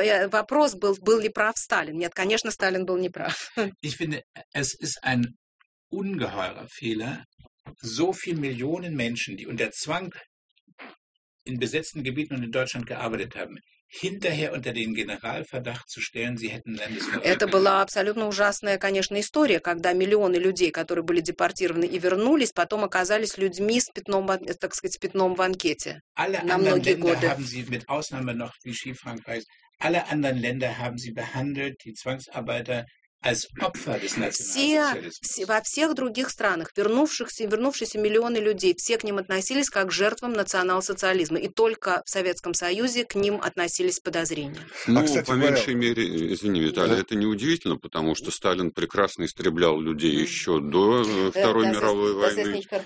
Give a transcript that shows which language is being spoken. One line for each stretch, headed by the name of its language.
Russian: Вопрос был ли прав Сталин? Нет, конечно, Сталин был неправ.
German: Ich finde, es ist ein ungeheurer Fehler, so viele Millionen Menschen, die unter Zwang in besetzten Gebieten und in Deutschland gearbeitet haben, hinterher unter den Generalverdacht zu stellen, sie hätten Landesverrat.
Russian: Это была абсолютно ужасная, конечно, история, когда миллионы людей, которые были депортированы и вернулись, потом оказались людьми с пятном, так сказать, с пятном в анкете.
German: Alle
Russian: на многие годы.
German: Länder haben sie mit Ausnahme noch Vichy Frankreich. Alle anderen Länder haben sie behandelt, die Zwangsarbeiter als Opfer des Nationalsozialismus.
Russian: Во всех других странах, вернувшиеся миллионы людей, все к ним относились как к жертвам национал-социализма. И только в Советском Союзе к ним относились с подозрением. Ну, кстати, по меньшей мере, извини, Виталий, да? Это не удивительно, потому что Сталин прекрасно истреблял людей еще до Второй мировой войны.